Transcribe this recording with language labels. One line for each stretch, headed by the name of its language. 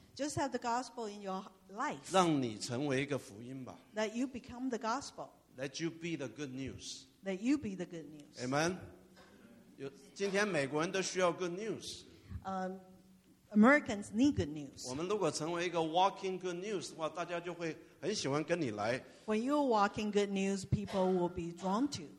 English: Just have the gospel in your life.
Chinese: 让你成为一个福音吧。
English: That you become the gospel. Let you be the good news. That you be the good news. Amen.
Chinese: 今天美国人都需要
English: good news. Americans need good news.
Chinese: 我们如果成为一个
English: walking good news
Chinese: 的话，大家就会很喜欢跟你来。
English: When you're walking good news, people will be drawn to.